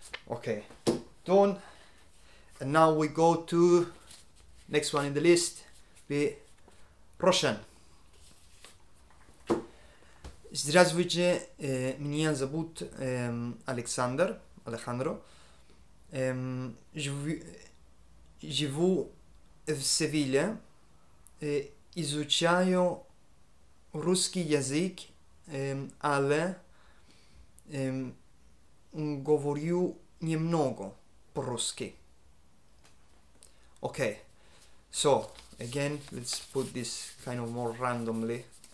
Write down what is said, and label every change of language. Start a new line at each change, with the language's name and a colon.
English: Okay, done. And now we go to next one in the list, the Russian.
Russian: Здравствуйте, меня зовут Александр, Алехандро. Живу в Севилье, изучаю русский язык, але говорю немного по-русски.
English: Okay, so again, let's put this kind of more randomly.